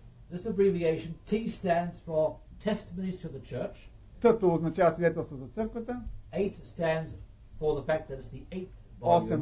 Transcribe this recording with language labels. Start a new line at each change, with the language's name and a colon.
English: This abbreviation T stands for testimonies to the church.
Bulgarian: Т-то означава свидетелство за църквата.
English: 8 stands for the fact that it's the 8th volume.